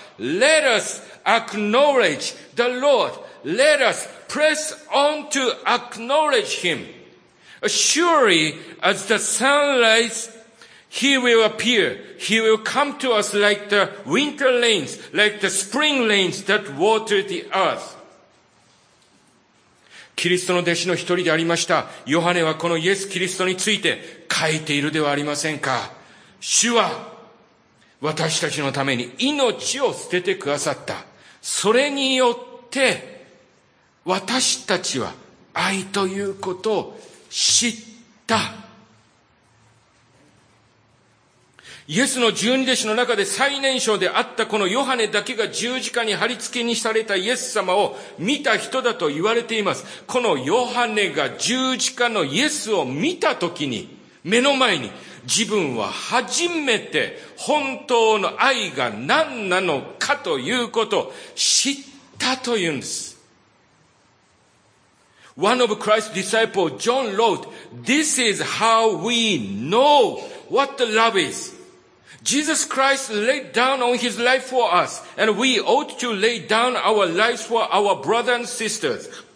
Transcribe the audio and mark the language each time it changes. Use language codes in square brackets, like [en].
[en] Let us acknowledge the Lord. Let us press on to acknowledge him. Surely, as the sun rises,He will appear. He will come to us like the winter rains, like the spring rains that water the earth. [ja] キリストの弟子の一人でありましたヨハネはこのイエス・キリストについて書いているではありませんか。主は私たちのために命を捨ててくださった。それによって私たちは愛ということを知った。イエスの十二弟子の中で最年少であったこのヨハネだけが十字架に貼り付けにされたイエス様を見た人だと言われています。このヨハネが十字架のイエスを見た時に目の前に自分は初めて本当の愛が何なのかということを知ったというんです。 [en] One of Christ's disciples, John wrote, This is how we know what the love is. Jesus Christ laid down on his life for us, and we ought to lay down our lives for our brothers and sisters.